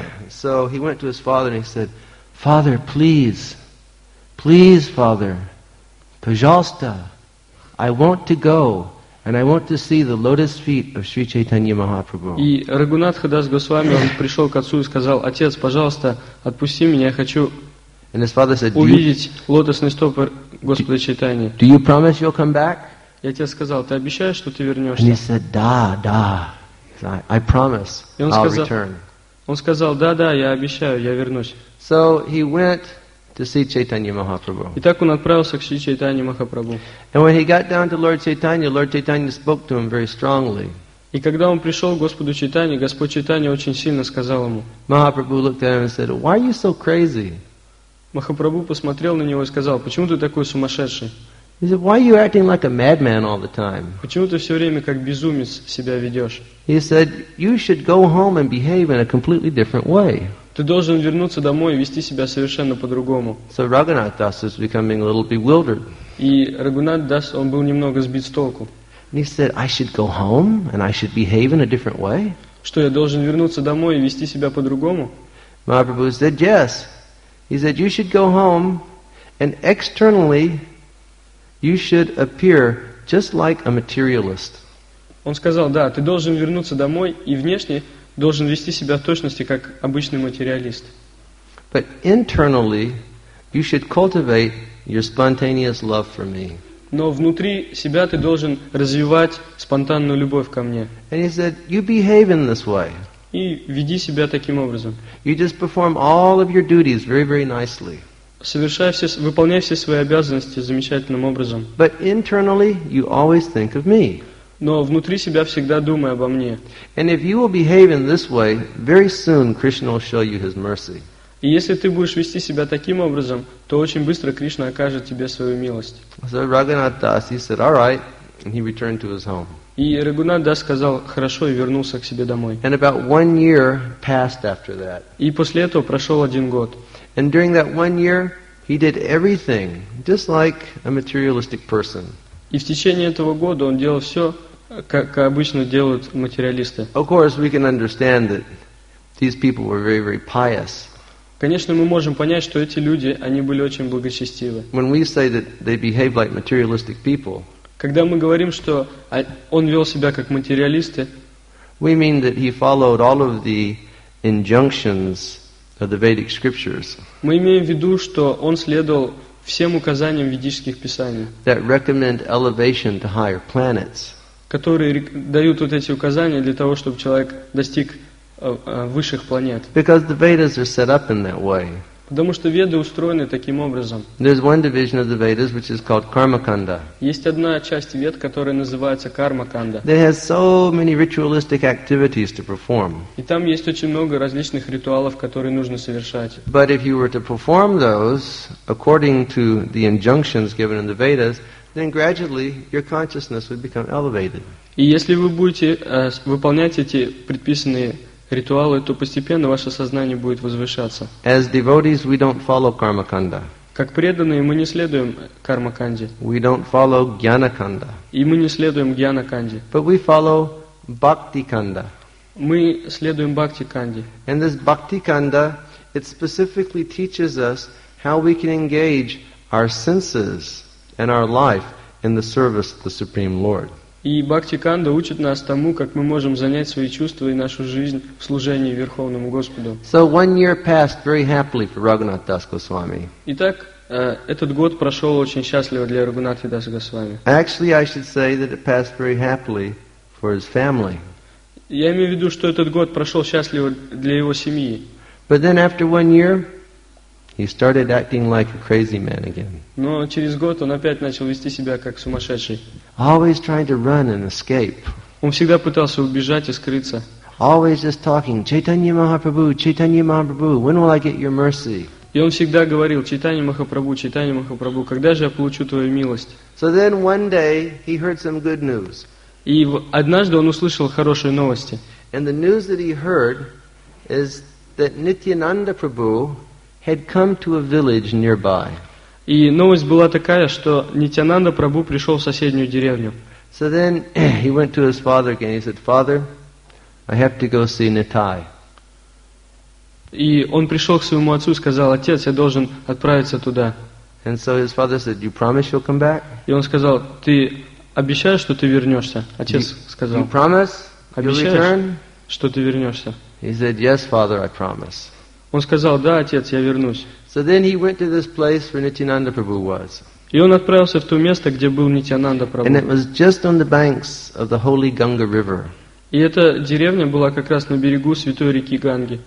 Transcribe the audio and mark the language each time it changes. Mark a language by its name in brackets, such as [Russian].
[English] So he went to his father and he said, "Father, please, please, father, [Russian] пожалуйста, [English] I want to go and I want to see the lotus feet of Sri Chaitanya Mahaprabhu." [Russian] И Рагунатха Дас Госвами, он пришел к отцу и сказал, "Отец, пожалуйста, отпусти меня, я хочу увидеть лотосные стопы Господа Чайтаньи." [English] Do you promise you'll come back? [Russian] Я тебе сказал, ты обещаешь, что ты вернешься? [English] And he said, [Russian] "Да, да, [English] I promise, I'll return." [Russian] Он сказал, да, да, я обещаю, я вернусь. [English] So he went to see Chaitanya Mahaprabhu. [Russian] И так он отправился к Шри Чайтанье Махапрабху. [English] And when he got down to Lord Chaitanya spoke to him very strongly. [Russian] И когда он пришел к Господу Чайтанье, Господь Чайтанье очень сильно сказал ему. [English] Mahaprabhu looked at him and said, "Why are you so crazy?" [Russian] Махапрабху посмотрел на него и сказал, почему ты такой сумасшедший? [English] He said, "Why are you acting like a madman all the time?" [Russian] Почему ты все время как безумец себя ведешь? [English] He said, "You should go home and behave in a completely different way." [Russian] Ты должен вернуться домой и вести себя совершенно по-другому. [English] So Raghunath Das was becoming a little bewildered. [Russian] И Рагунат Дас, он был немного сбит с толку. [English] He said, "I should go home and I should behave in a different way?" [Russian] Что, я должен вернуться домой и вести себя по-другому? [English] Mahaprabhu said, "Yes." He said, "You should go home and externally you should appear just like a materialist." [Russian] Он сказал, да, ты должен вернуться домой и внешне должен вести себя в точности как обычный материалист. [English] But internally you should cultivate your spontaneous love for me. [Russian] Но внутри себя ты должен развивать спонтанную любовь ко мне. [English] And he said, "You behave in this way." [Russian] И веди себя таким образом. [English] You just perform all of your duties very, very nicely. [Russian] Выполняй все свои обязанности замечательным образом. [English] But internally you always think of me. [Russian] Но внутри себя всегда думай обо мне. [English] And if you will behave in this way, very soon Krishna will show you his mercy. [Russian] И если ты будешь вести себя таким образом, то очень быстро Кришна окажет тебе свою милость. [English] So Raghunath Das, he said, "All right," and he returned to his home. [Russian] И Рагунат Дас сказал хорошо и вернулся к себе домой. [English] And about 1 year passed after that. [Russian] И после этого прошел один год. [English] And during that 1 year, he did everything just like a materialistic person. [Russian] И в течение этого года он делал все, как обычно делают материалисты. [English] Of course, we can understand that these people were very, very pious. [Russian] Конечно, мы можем понять, что эти люди, они были очень благочестивы. [English] When we say that they behave like materialistic people, [Russian] когда мы говорим, что он вел себя как материалисты, [English] we mean that he followed all of the injunctions of the Vedic scriptures. [Russian] Мы имеем в виду, что он следовал всем указаниям ведических писаний. [English] That recommend elevation to higher planets. [Russian] Которые дают вот эти указания для того, чтобы человек достиг высших планет. [English] Because the Vedas are set up in that way. [Russian] Потому что Веды устроены таким образом. [English] There's one division of the Vedas which is called Karmakanda. [Russian] Есть одна часть Вед, которая называется Кармаканда. [English] There has so many ritualistic activities to perform. [Russian] И там есть очень много различных ритуалов, которые нужно совершать. [English] But if you were to perform those according to the injunctions given in the Vedas, then gradually your consciousness would become elevated. [Russian] И если вы будете выполнять эти предписанные ритуалы, то постепенно ваше сознание будет возвышаться. [English] As devotees, we don't follow Karmakanda. [Russian] Как преданные, мы не следуем Кармаканде. [English] We don't follow Gyanakanda. [Russian] И мы не следуем Гьянаканде. [English] But we follow Bhaktikanda. [Russian] Мы следуем Бхактиканде. [English] And this Bhaktikanda, it specifically teaches us how we can engage our senses and our life in the service of the Supreme Lord. [Russian] И Бхактиканда учит нас тому, как мы можем занять свои чувства и нашу жизнь в служении Верховному Господу. [English] So 1 year passed very happily for Raghunath Das Goswami. [Russian] Итак, этот год прошел очень счастливо для Рагхунатхи Даса Госвами. [English] Actually, I should say that it passed very happily for his family. [Russian] Я имею в виду, что этот год прошел счастливо для его семьи. [English] But then after 1 year, he started acting like a crazy man again. [Russian] Но через год он опять начал вести себя как сумасшедший. [English] Always trying to run and escape. [Russian] Он всегда пытался убежать и скрыться. [English] Always just talking, Chaitanya Mahaprabhu, Chaitanya Mahaprabhu, when will I get your mercy? [Russian] И он всегда говорил, Chaitanya Mahaprabhu, когда же я получу твою милость? [English] So then one day he heard some good news. [Russian] И однажды он услышал хорошие новости. [English] And the news that he heard is that Nityananda Prabhu had come to a village nearby. [Russian] И новость была такая, что Нитянанда Прабху пришел в соседнюю деревню. [English] So then he went to his father again. He said, "Father, I have to go see Nitai." [Russian] И он пришел к своему отцу и сказал, "Отец, я должен отправиться туда." [English] And so his father said, "You promise you'll come back?" [Russian] И он сказал, "Ты обещаешь, что ты вернешься?" Отец сказал, [English] "You promise? [Russian] Обещаешь, [English] you'll return?" [Russian] Что ты вернешься? [English] He said, "Yes, Father, I promise." [Russian] Он сказал, "Да, отец, я вернусь." [English] So then he went to this place where Nityananda Prabhu was. [Russian] И он отправился в то место, где был Нитянанда Прабху. [English] And it was just on the banks of the holy Ganga River. [Russian] И эта деревня была как раз на берегу святой реки Ганги.